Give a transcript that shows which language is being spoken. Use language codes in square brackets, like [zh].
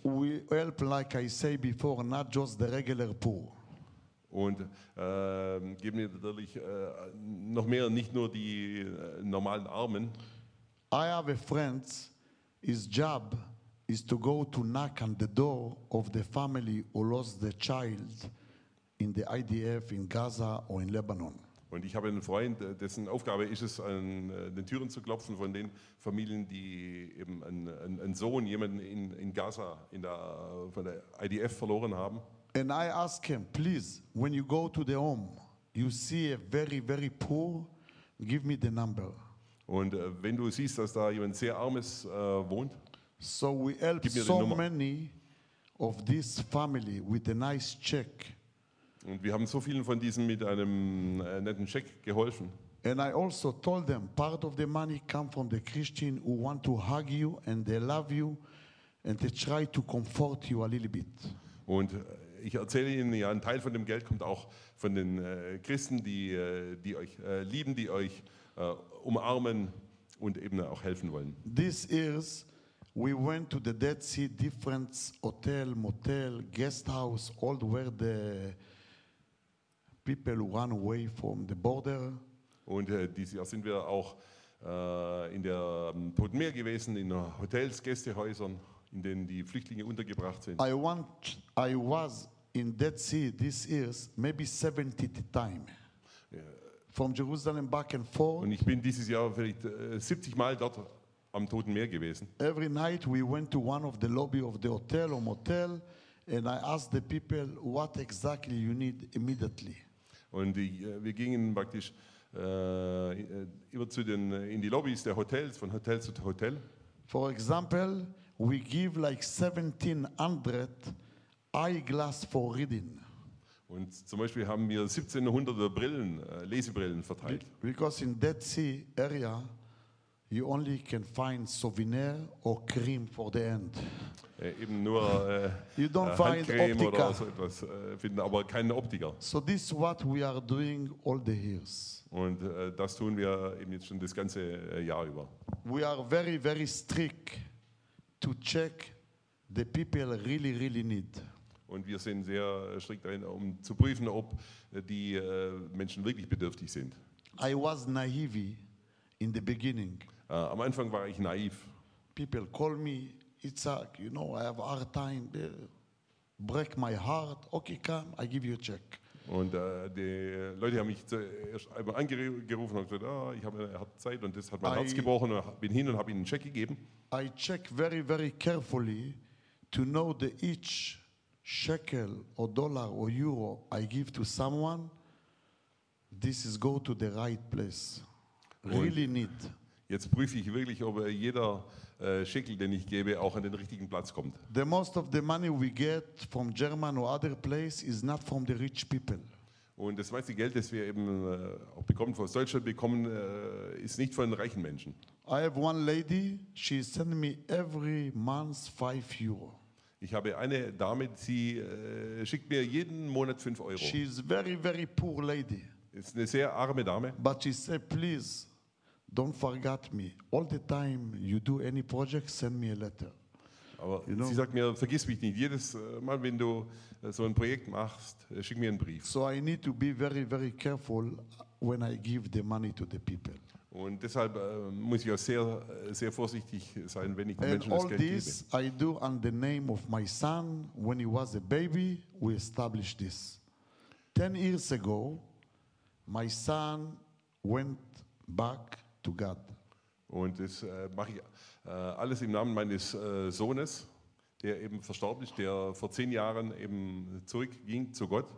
[en] We help, like I say before, not just the regular poor. [de] Und geben wir natürlich noch mehr, nicht nur die normalen Armen. [en] I have a friend, his job is to go to knock on the door of the family who lost the child in the IDF in Gaza or in Lebanon. [de] Und ich habe einen Freund, dessen Aufgabe ist es, an den Türen zu klopfen von den Familien, die eben einen Sohn, jemanden in Gaza, von der IDF verloren haben. [en] And I ask him, please, when you go to the home, you see a very, very poor, give me the number. [de] Und wenn du siehst, dass da jemand sehr armes wohnt, [en] so we help so many of this family with a nice check. [de] Und wir haben so vielen von diesen mit einem netten Scheck geholfen. [en] And I also told them, part of the money comes from the Christian who want to hug you and they love you and they try to comfort you a little bit. [de] Und ich erzähle Ihnen, ja, ein Teil von dem Geld kommt auch von den Christen, die euch lieben, die euch umarmen und eben auch helfen wollen. [en] This is, we went to the Dead Sea, different hotel, motel, guest house, all where the people run away from the border. [de] Und dieses Jahr sind wir auch in der Toten Meer gewesen, in Hotels, Gästehäusern, in denen die Flüchtlinge untergebracht sind. [en] I was in Dead Sea this year maybe 70 times. From Jerusalem back and forth. [de] Und ich bin dieses Jahr vielleicht 70 Mal dort am Toten Meer gewesen. [en] Every night we went to one of the lobby of the hotel or motel and I asked the people what exactly you need immediately. [de] Und wir gingen praktisch immer in die Lobbys der Hotels, von Hotel zu Hotel. [en] For example, we give like 1700 eyeglass for reading. [de] Und zum Beispiel haben wir 1700 Brillen, Lesebrillen verteilt. [en] Because in Dead Sea area, you only can find souvenir or cream for the end. [de] Eben nur [en] you don't [de] Handcreme find oder so etwas finden, aber keinen Optiker. [en] So this is what we are doing all the years. [de] Und das tun wir eben jetzt schon das ganze Jahr über. [en] We are very, very strict to check the people really, really need. [de] Und wir sind sehr strikt darin, um zu prüfen, ob die Menschen wirklich bedürftig sind. [en] I was naive in the beginning. [de] Am Anfang war ich naiv. [en] People call me, Itzhak, you know, I have a hard time, break my heart. Okay, come, I give you a check. [de] Und die Leute haben mich zuerst einmal angerufen und gesagt, oh, ich habe Zeit und das hat mein Herz gebrochen. Und bin hin und habe ihnen einen Check gegeben. [en] I check very, very carefully to know that each shekel or dollar or euro I give to someone, this is go to the right place. Really need. [de] Jetzt prüfe ich wirklich, ob jeder Schekel, den ich gebe, auch an den richtigen Platz kommt. [en] The most of the money we get from German or other place is not from the rich people. [de] Und das meiste Geld, das wir eben auch bekommen, aus Deutschland bekommen, ist nicht von den reichen Menschen. [en] I have one lady, she send me every month 5 euro. [de] Ich habe eine Dame, sie schickt mir jeden Monat 5 Euro. [en] She is very, very poor lady. [de] Ist eine sehr arme Dame. [en] But she said, please, don't forget me. All the time you do any project, send me a letter. [de] Aber [en] you know? [de] Sie sagt mir, vergiss mich nicht. Jedes Mal, wenn du so ein Projekt machst, schick mir einen Brief. [en] So I need to be very, very careful when I give the money to the people. [de] Und deshalb muss ich auch sehr, sehr vorsichtig sein, wenn ich den Menschen das Geld gebe. [en] And all this I do on the name of my son when he was a baby. We established this. 10 years ago, my son went back to God. [de] Und das mache ich alles im Namen meines Sohnes, der eben verstorben ist, der vor 10 Jahren eben zurückging zu Gott.